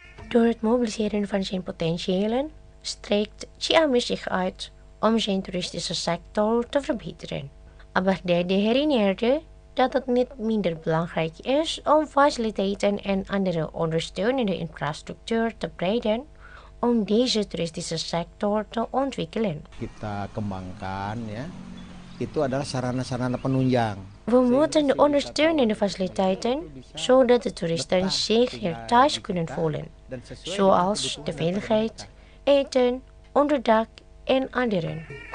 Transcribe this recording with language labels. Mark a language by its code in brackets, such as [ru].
[nl] Door het mobiliseren van zijn potentiëlen streekt Ciamis zich uit om zijn toeristische sector te verbeteren. Aber Dede herinnerde dat het niet minder belangrijk is om faciliteiten en andere ondersteunende infrastructuur te breiden om deze toeristische sector te ontwikkelen. [id] Kita kembangkan, ya. Itu adalah sarana-sarana penunjang. [nl] We moeten de ondersteunende faciliteiten, zodat de toeristen zich hier thuis kunnen voelen, zoals de veiligheid, eten, onderdak en anderen.